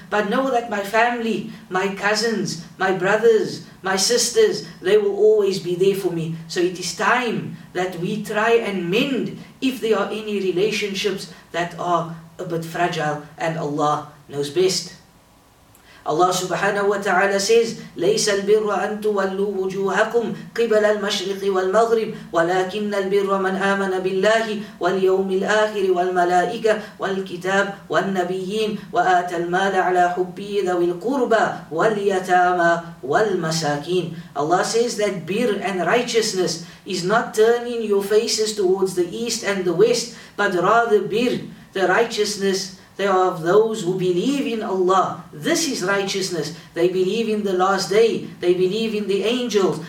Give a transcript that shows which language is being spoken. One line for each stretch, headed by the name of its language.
English: But know that my family, my cousins, my brothers, my sisters, they will always be there for me. So it is time that we try and mend if there are any relationships that are a bit fragile, and Allah knows best. Allah subhanahu wa ta'ala says,
Arabic: لَيْسَ الْبِرَّ أَن تُوَلُّوا وُجُوهَكُمْ قِبَلَ الْمَشْرِقِ وَالْمَغْرِبِ وَلَكِنَّ الْبِرَّ مَنْ آمَنَ بِاللَّهِ وَالْيَوْمِ الْآخِرِ وَالْمَلَائِكَةِ وَالْكِتَابِ وَالنَّبِيِّينَ وَآتَى الْمَالَ عَلَى حُبِّهِ ذَوِي الْقُرْبَى وَالْيَتَامَى وَالْمَسَاكِينَ.
English: Allah says that bir and righteousness is not turning your faces towards the east and the west, but rather bir, the righteousness, they are of those who believe in Allah. This is righteousness. They believe in the last day. They believe in the angels.